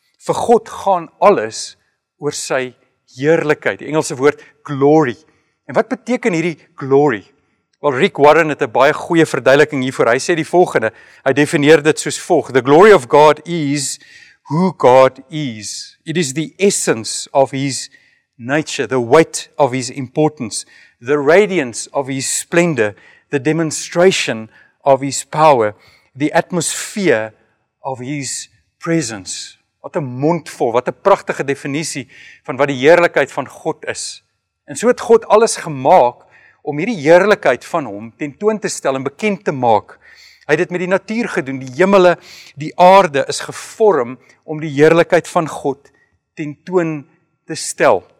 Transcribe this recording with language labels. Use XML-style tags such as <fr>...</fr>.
<af>Vir God gaan alles oor sy heerlikheid, die Engelse woord glory. En wat beteken hierdie glory? Wel, Rick Warren het 'n baie goeie verduideliking hiervoor. Hy sê die volgende, hy definieer dit soos volg.</af> <en>The glory of God is who God is. It is the essence of his nature, the weight of his importance, the radiance of his splendor, the demonstration of his power, the atmosphere of his presence.</en> <af>Wat 'n mondvol, wat 'n pragtige definisie van wat die heerlikheid van God is. En so het God alles gemaak om hierdie heerlikheid van hom tentoon te stel en bekend te maak. Hy het dit met die natuur gedoen, die hemele, die aarde is gevorm om die heerlikheid van God tentoon te stel.</af>